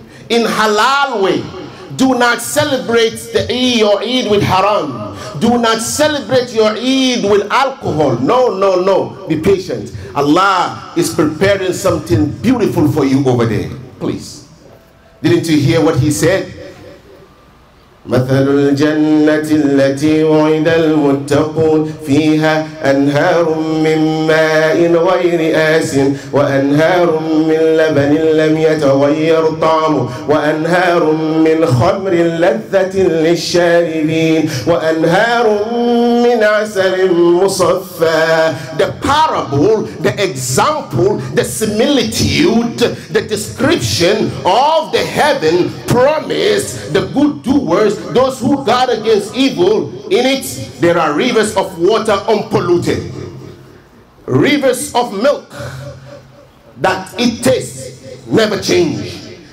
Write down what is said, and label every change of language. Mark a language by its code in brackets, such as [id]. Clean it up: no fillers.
[en] In halal way. Do not celebrate your Eid with haram. Do not celebrate your Eid with alcohol. No. Be patient. Allah is preparing something beautiful for you over there. Please. Didn't you hear what he said? [ar] مثل الجنة التي وعد المتقون فيها أنهار من ماء غير آس وأنهار من لبن لم يتغير طعمه وأنهار من خمر لذة للشاربين وأنهار من عسل مصفى. [en] The parable, the example, the similitude, the description of the heaven promised the good doers, those who guard against evil, in it there are rivers of water unpolluted, rivers of milk that it tastes never change,